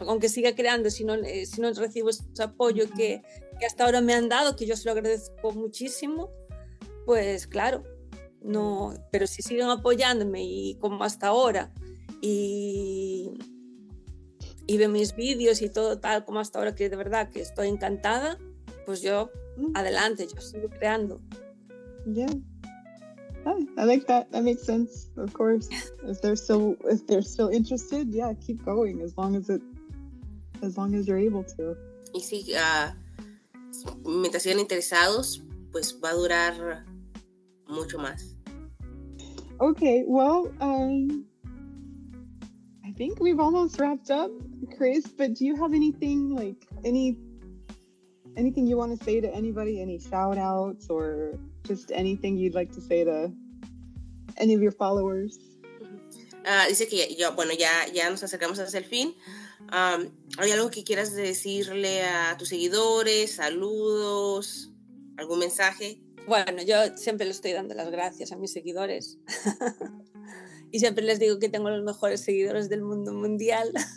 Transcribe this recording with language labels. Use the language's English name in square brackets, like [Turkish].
[Spanish] Aunque siga creando, si no recibo ese apoyo que hasta ahora me han dado, que yo se lo agradezco muchísimo, pues claro, no. Pero si siguen apoyándome y como hasta ahora, y ven mis vídeos y todo tal como hasta ahora, que de verdad que estoy encantada, pues yo... adelante, yo sigo creando. Yeah. [English] I like that. That makes sense, of course. If they're still interested, yeah, keep going as long as you're able to. [Spanish] Y si mientras sigan interesados, pues va a durar mucho más. [English] Okay, well, I think we've almost wrapped up, Chris, but do you have anything anything you want to say to anybody, any shout outs or just anything you'd like to say to any of your followers? [Spanish] Dice que ya nos acercamos hacia el fin. ¿Hay algo que quieras decirle a tus seguidores? ¿Saludos? ¿Algún mensaje? Bueno, yo siempre le estoy dando las gracias a mis seguidores. Y siempre les digo que tengo los mejores seguidores del mundo mundial.